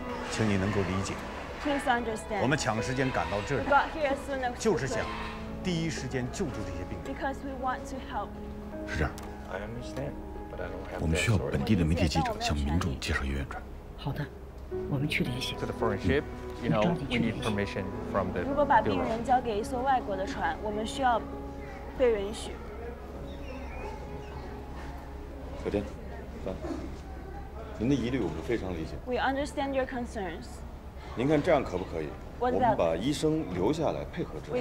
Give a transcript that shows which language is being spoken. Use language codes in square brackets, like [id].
[zh] 请你能够理解。 [en] Please understand. [zh] 我们抢时间赶到这里，就是想。第一时间救助这些病人。 [en] Because we want to help. [zh] 是这样。 [en] I understand, but I don't have. [zh] 我们需要本地的媒体记者向民众介绍医院船。好的，我们去联系。 [en] To the foreign ship, you know, we need permission from the. [zh] 如果把病人交给一艘外国的船，我们需要被允许。小天，范，您的疑虑我们非常理解。 [en] We understand your concerns. [zh] 您看这样可不可以？我们把医生留下来配合治疗。